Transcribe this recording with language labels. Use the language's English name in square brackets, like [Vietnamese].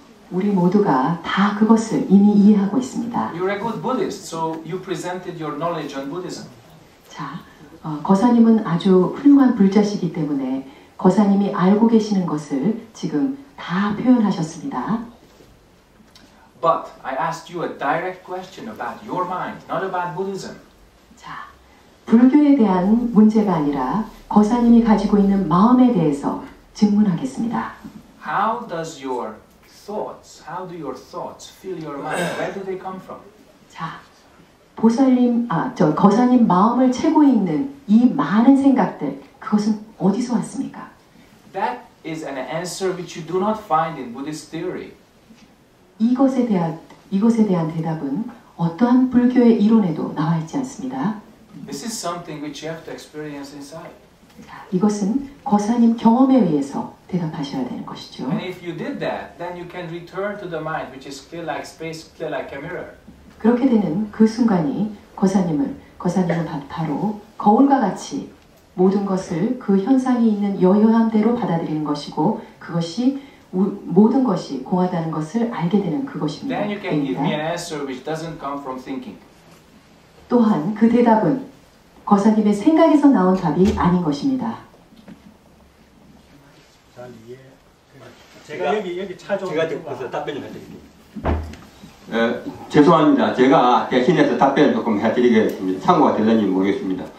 [Korean] 우리 모두가 다 그것을 이미 이해하고 있습니다. [English] You're a good Buddhist, so you presented your knowledge on Buddhism. [Korean] 자, 거사님은 아주 훌륭한 불자시기 때문에 거사님이 알고 계시는 것을 지금 다 표현하셨습니다. [English] But I asked you a direct question about your mind, not about Buddhism. [Korean] 자, 불교에 대한 문제가 아니라 거사님이 가지고 있는 마음에 대해서 질문하겠습니다. [English] How does your thoughts, how do your thoughts fill your mind? Where do they come from? [Korean] 자, 보살님, 거사님 마음을 채우고 있는 이 많은 생각들, 그것은 어디서 왔습니까? [English] That is an answer which you do not find in Buddhist theory. [Korean] 이것에 대한 대답은 어떠한 불교의 이론에도 나와 있지 않습니다. [English] This is something which you have to experience inside. [Korean] 이것은 거사님 경험에 의해서 대답하셔야 되는 것이죠. [English] And if you did that, then you can return to the mind which is clear like space, clear like a mirror. [Korean] 그렇게 되는 그 순간이 거사님은 바로 거울과 같이 모든 것을 그 현상이 있는 여여한 대로 받아들이는 것이고 그것이 모든 것이 공하다는 것을 알게 되는 그것입니다. [English] Then you can give me an answer which doesn't come from thinking. [Korean] 또한 그 대답은 거사님의 생각에서 나온 답이 아닌 것입니다. 잘 이해. 제가 여기 찾아온 제가 그래서 답변 좀 해드릴게요. 죄송합니다. 제가 대신해서 답변 조금 해드리겠습니다. 참고가 될는지 모르겠습니다.